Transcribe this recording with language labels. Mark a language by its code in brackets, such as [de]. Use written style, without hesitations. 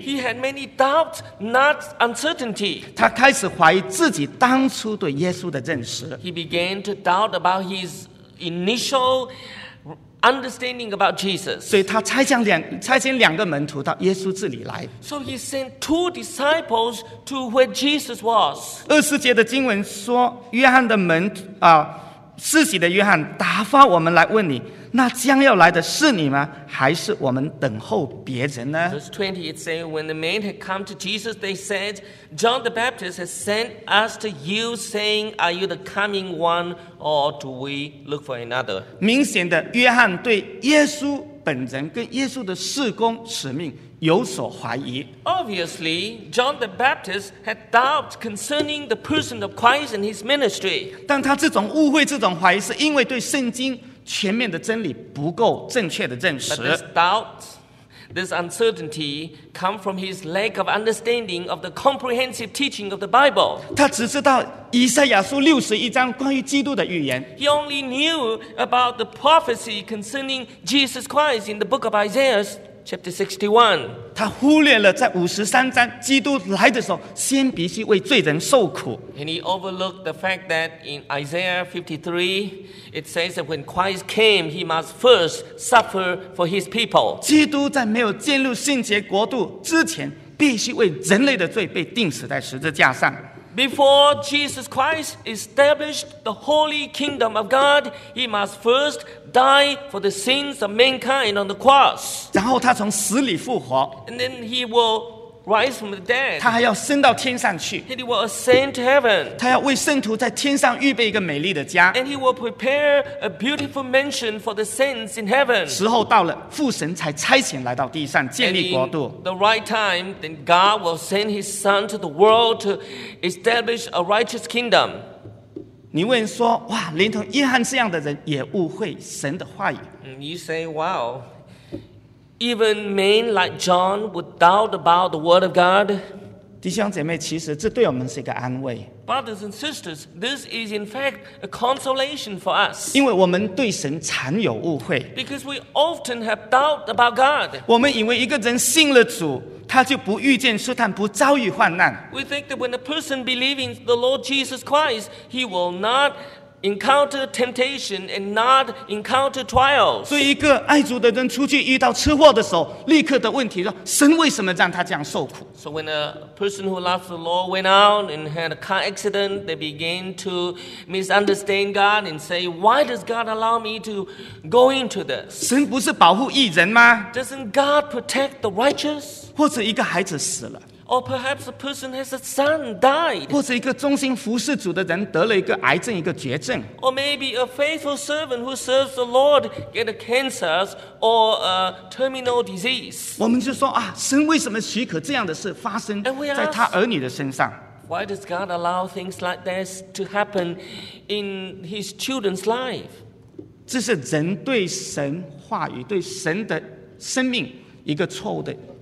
[en] He had many doubts, not uncertainty. [zh] 他开始怀疑自己当初对耶稣的认识。 [en] He began to doubt about his initial understanding about Jesus. [zh] 所以他差遣两个门徒到耶稣这里来。 [en] So he sent two disciples to where Jesus was. [zh] 二十节的经文说，约翰的门施洗的约翰打发我们来问你，那将要来的是你吗？还是我们等候别人呢？ [en] Verse 20, it says, when the men had come to Jesus, they said, John the Baptist has sent us to you, saying, are you the coming one, or do we look for another? [zh] 明显的，约翰对耶稣本人跟耶稣的事工使命有所怀疑。 [en] Obviously, John the Baptist had doubt concerning the person of Christ and his ministry. [zh] 但他这种误会、这种怀疑，是因为对圣经全面的真理不够正确的证实。 [en] But this doubt, this uncertainty, come from his lack of understanding of the comprehensive teaching of the Bible. [zh] 他只知道以赛亚书六十一章关于基督的预言。 [en] He only knew about the prophecy concerning Jesus Christ in the book of Isaiah. Chapter 61. [zh] 他忽略了在五十三章基督来的时候，先必须为罪人受苦。 [en] And he overlooked the fact that in Isaiah 53, it says that when Christ came, he must first suffer for his people. [zh] 基督在没有进入圣洁国度之前，必须为人类的罪被钉死在十字架上。 [en] Before Jesus Christ established the holy kingdom of God, he must first die for the sins of mankind on the cross. [zh] 然后他从死里复活。 [en] And then he will rise from the dead. [zh] 他还要升到天上去。 [en] And he will ascend to heaven. [zh] 他要为圣徒在天上预备一个美丽的家。 [en] And he will prepare a beautiful mansion for the saints in heaven. [zh] 时候到了，父神才差遣来到地上建立国度。 [en] And in the right time, then God will send his son to the world to establish a righteous kingdom. [zh] 你问说，哇，连同约翰这样的人也误会神的话语。 [en] You say, wow, even men like John would doubt about the word of God. [zh] 弟兄姐妹，其实这对我们是一个安慰。 [en] Brothers and sisters, this is in fact a consolation for us. [zh] 因为我们对神常有误会。 [en] Because we often have doubt about God. [zh] 我们以为一个人信了主，他就不遇见试探，不遭遇患难。 [en] We think that when a person believes in the Lord Jesus Christ, he will not encounter temptation and not encounter trials. [zh] 所以，一个爱主的人出去遇到车祸的时候，立刻的问题说：神为什么让他这样受苦 [en] ？So when a person who loves the Lord went out and had a car accident, they begin to misunderstand God and say, "Why does God allow me to go into this?" [zh] 神不是保护义人吗 [en] ？Doesn't God protect the righteous? [zh] 或者一个孩子死了 [en] ，or perhaps a person has a son died， [zh] 或者一个忠心服侍主的人得了一个癌症、一个绝症 [en] ，or maybe a faithful servant who serves the Lord get a cancer or a terminal disease。 [zh] 我们就说啊，神为什么许可这样的事发生在他儿女的身上 [en] ？Why does God allow things like this to happen in His children's life？ [zh] 这是人对神话语、对神的生命一个错误的。